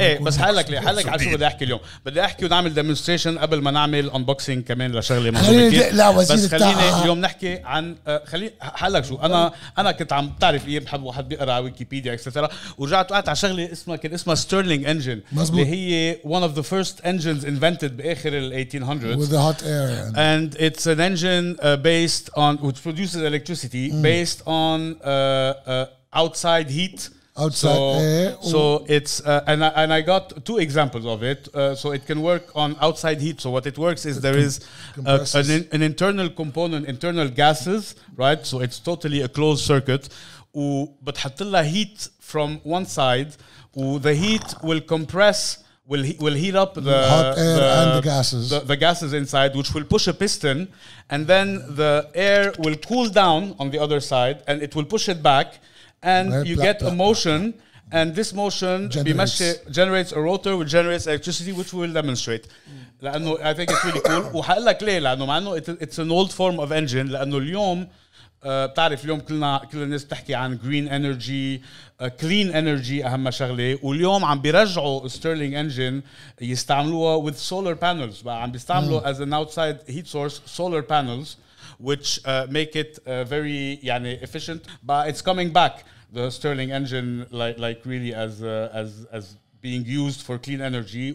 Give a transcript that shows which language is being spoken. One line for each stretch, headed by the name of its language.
Arabic: إيه، بس حالك لي حالك على شو بدي أحكي اليوم. بدي أحكي ونعمل demonstration قبل ما نعمل unboxing كمان لشغلة مهمة كتير. لا وزير بس خليني اليوم نحكي عن خلي حالك شو. أنا كنت عم بتعرف إيه، بحب واحد بيقرأ ويكيبيديا إكسترا، ورجعت وقعت على شغلة اسمها، كان اسمها Stirling engine. مزبوط. اللي هي
English: one of the first engines invented
Arabic: بآخر ال
English: 1800s with the hot air
Arabic: يعني.
English: And it's an engine based on which produces electricity based on outside heat. And I got two examples of it. So it can work on outside heat. So what it works is an internal component, internal gases, right? So it's totally a closed circuit. But
Arabic: حطلها
English: heat from one side. The heat will compress, will heat up the hot air and the gases. The gases inside, which will push a piston. And then the air will cool down on the other side and it will push it back. And you get a motion, and this motion generates a rotor, which generates electricity, which we will demonstrate.
Arabic: لأنه
English: I think it's really cool.
Arabic: وحقول لك ليه، لأنه مع أنه
English: it's an old form of engine.
Arabic: لأنه اليوم بتعرف اليوم كل الناس بتحكي عن
English: green energy, clean energy
Arabic: أهم شغلة. واليوم عم بيرجعوا Stirling engine يستعملوها
English: with solar panels.
Arabic: عم بيستعملوا
English: as an outside heat source solar panels. Which make it very
Arabic: يعني
English: efficient, but it's coming back, the Stirling engine, like really as being used for clean energy.